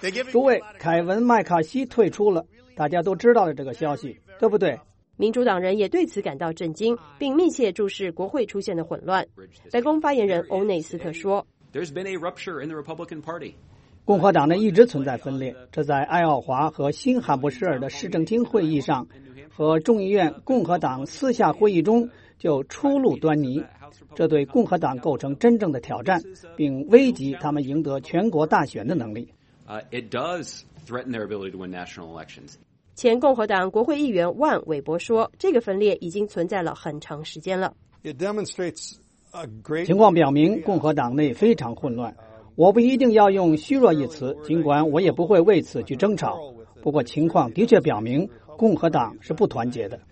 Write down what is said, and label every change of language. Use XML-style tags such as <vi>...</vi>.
<zh>诸位，凯文·麦卡锡退出了，大家都知道了这个消息，对不对？民主党人也对此感到震惊，并密切注视国会出现的混乱。白宫发言人欧内斯特说，</zh> <en>There's been a rupture in the Republican Party.</en> <zh>共和党呢一直存在分裂，这在爱奥华和新罕布什尔的市政厅会议上和众议院共和党私下会议中就初露端倪，这对共和党构成真正的挑战，并危及他们赢得全国大选的能力。</zh> <en>It does threaten their ability to win national elections.</en> <zh>前共和党国会议员万·韦伯说，这个分裂已经存在了很长时间了。</zh> <en>It demonstrates a great</en> <zh>情况表明共和党内非常混乱。我不一定要用虚弱一词，尽管我也不会为此去争吵。不过情况的确表明共和党是不团结的。</zh>